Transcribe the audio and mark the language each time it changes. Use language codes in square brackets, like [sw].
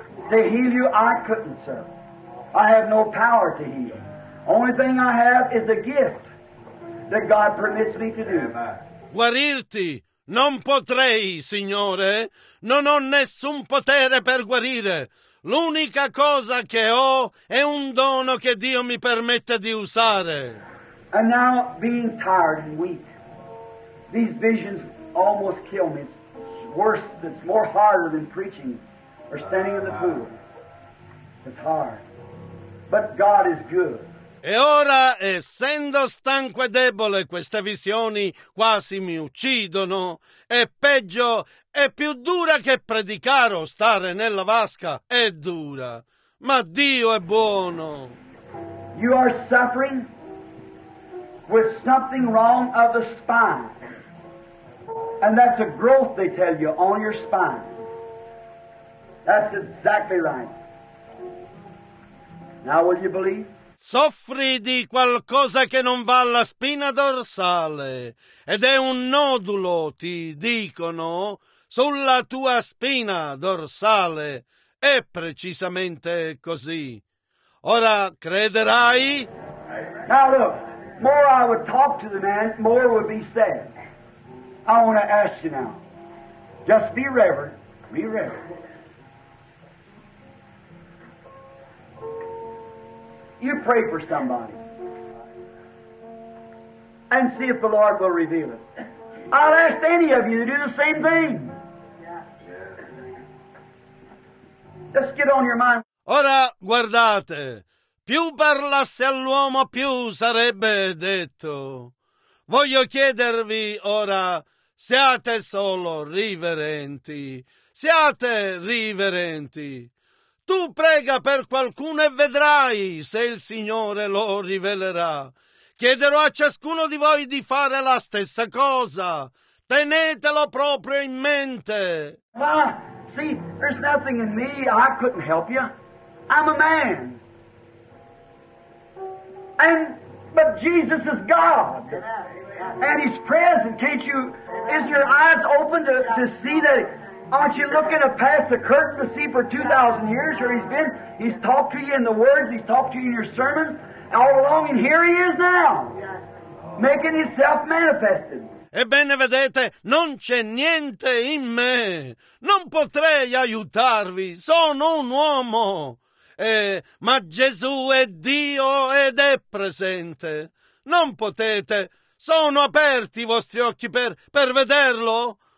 [en] To heal you, I couldn't, sir. I have no power to heal. Only thing I have is a gift that God permits me to do. [it] Guarirti? Non potrei, Signore, non ho nessun potere per guarire. L'unica cosa che ho è un dono che Dio mi permette di usare. [en] And now, being tired and weak, these visions almost kill me. It's worse, it's more harder than preaching or standing in the pool. It's hard. But God is good. [it] E ora, essendo stanco e debole, queste visioni quasi mi uccidono. È peggio, è più dura che predicare o stare nella vasca. È dura. Ma Dio è buono. [en] You are suffering with something wrong of the spine. And that's a growth, they tell you, on your spine. That's exactly right. Now, will you believe? [it] Soffri di qualcosa che non va alla spina dorsale, ed è un nodulo, ti dicono, sulla tua spina dorsale. È precisamente così. Ora crederai? [en] Now look, more I would talk to the man, more would be said. I want to ask you now, just be reverent, be reverent. You pray for somebody and see if the Lord will reveal it. I'll ask any of you to do the same thing. Just get on your mind. [it] Ora guardate, più parlasse all'uomo più sarebbe detto. Voglio chiedervi ora, siate solo riverenti, siate riverenti. Tu prega per qualcuno e vedrai se il Signore lo rivelerà. Chiederò a ciascuno di voi di fare la stessa cosa. Tenetelo proprio in mente. [en] Ma, see, there's nothing in me. I couldn't help you. I'm a man. But Jesus is God. And He's present. Can't you? Is your eyes open to see that? Aren't you looking past the curtain to see for 2,000 years where he's been? He's talked to you in the words. He's talked to you in your sermons all along, and here he is now, making himself manifested. [it] Ebbene, vedete, non c'è niente in me. Non potrei aiutarvi. Sono un uomo. Ma Gesù è Dio ed è presente. Non potete. Sono aperti i vostri occhi per vederlo.